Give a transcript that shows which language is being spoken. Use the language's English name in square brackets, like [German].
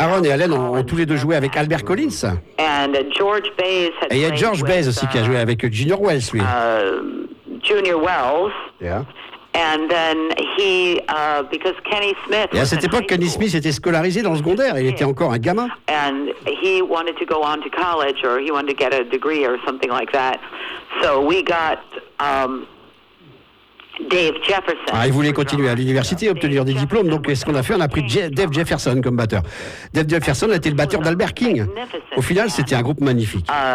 [French] Aaron et Alan ont tous les deux joué avec Albert Collins. [English] And George Baez had [French] et il y a George Baez aussi qui a joué avec Junior Wells, lui. Junior Wells. [English] Yeah. And then he, because Kenny Smith... [French] Et à cette époque, Kenny Smith était scolarisé dans le secondaire. Il était encore un gamin. [English] And he wanted to go on to college, or he wanted to get a degree or something like that. So we got... Dave Jefferson. [French] Ah, il voulait continuer à l'université et obtenir des diplômes, donc ce qu'on a fait, on a pris Dave Jefferson comme batteur. Dave Jefferson a été le batteur d'Albert King. Au final, c'était un groupe magnifique.